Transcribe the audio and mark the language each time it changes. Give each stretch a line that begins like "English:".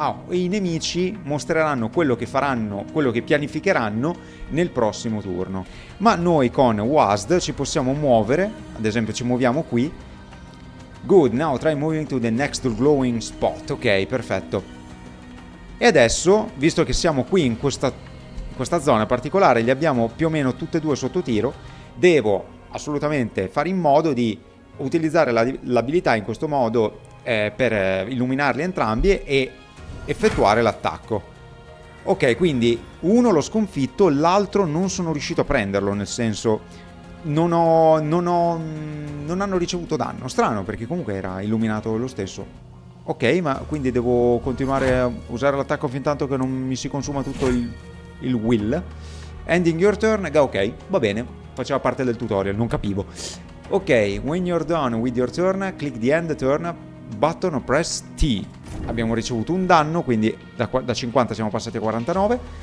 Italian: i nemici mostreranno quello che faranno, quello che pianificheranno nel prossimo turno. Ma noi con WASD ci possiamo muovere, ad esempio ci muoviamo qui.
English: Good, now try moving to the next glowing spot.
Italian: Ok, perfetto. E adesso, visto che siamo qui in questa zona particolare, li abbiamo più o meno tutte e due sotto tiro, devo assolutamente fare in modo di utilizzare l'abilità in questo modo per illuminarli entrambi e effettuare l'attacco. Ok, quindi uno l'ho sconfitto, l'altro non sono riuscito a prenderlo, nel senso non hanno ricevuto danno. Strano, perché comunque era illuminato lo stesso. Ok, ma quindi devo continuare a usare l'attacco fin tanto che non mi si consuma tutto il will.
English: Ending your turn.
Italian: Ok, va bene. Faceva parte del tutorial, non capivo.
English: Ok, when you're done with your turn, click the end turn button or press T.
Italian: Abbiamo ricevuto un danno, quindi da 50 siamo passati a 49.